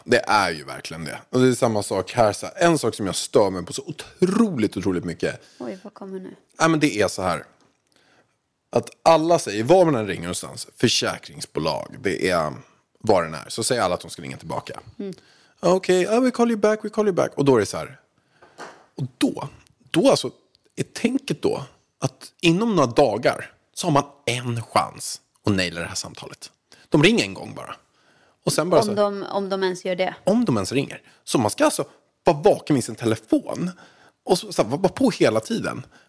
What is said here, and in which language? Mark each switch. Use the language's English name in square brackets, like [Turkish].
[Swedish] Det är ju verkligen det. Och det är samma sak här. Så en sak som jag stör mig på så otroligt, otroligt mycket. Oj, vad kommer nu? Nej, men det är så här. Att alla säger, var man ringer någonstans, försäkringsbolag, det är var den är. Så säger alla att de ska ringa tillbaka. Mm. [English] Okej, okay, we call you back, we call you back. [Swedish] Och då är det så här. Och då alltså är tänket då att inom några dagar så har man en chans att naila det här samtalet. De ringer en gång bara. Och sen bara om, så här, om de ens gör det. Om de ens ringer. Så man ska alltså vara vaken i sin telefon och så här, vara på hela tiden.